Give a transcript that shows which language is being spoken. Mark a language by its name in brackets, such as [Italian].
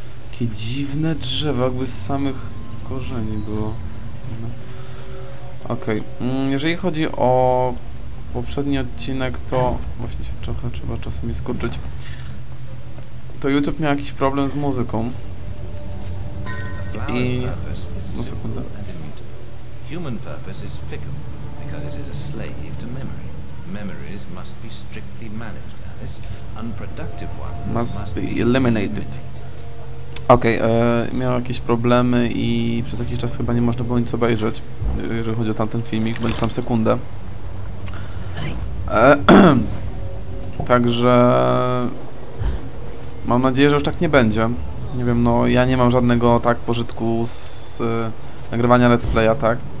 [Polish] Takie dziwne drzewa, jakby z samych korzeni było. Okej, jeżeli chodzi o poprzedni odcinek, to właśnie się trochę trzeba czasami skurczyć. To YouTube miał jakiś problem z muzyką. I... no sekundę. [English] Human purpose is fickle, because it is a slave to memory. Memories must be strictly managed, Alice. Unproductive ones must be eliminated. [Polish] Okej, miał jakieś problemy i przez jakiś czas chyba nie można było nic obejrzeć, jeżeli chodzi o tamten filmik, bądź tam sekundę. Także mam nadzieję, że już tak nie będzie. Nie wiem, no ja nie mam żadnego tak pożytku z nagrywania let's playa, tak?